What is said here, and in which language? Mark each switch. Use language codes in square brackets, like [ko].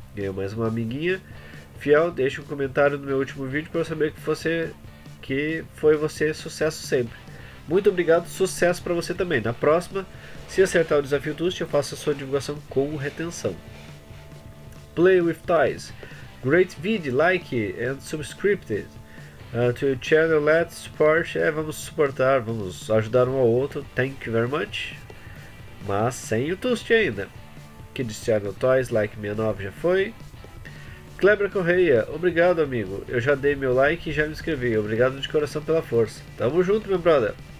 [pt] Ganhei mais uma amiguinha fiel, deixe um comentário no meu último vídeo para eu saber que foi você sucesso sempre. Muito obrigado, sucesso para você também. Na próxima, se acertar o desafio Toast, eu faço a sua divulgação com retenção. [en] Play with Toys. Great vid, like and subscribe to your channel. Let's support. [pt] Vamos suportar, vamos ajudar um ao outro. [en] Thank you very much. [pt] Mas sem o Toast ainda. Kids Channel Toys, like 69 já foi. Kleber Correia, obrigado amigo. Eu já dei meu like e já me inscrevi. Obrigado de coração pela força. Tamo junto, meu brother.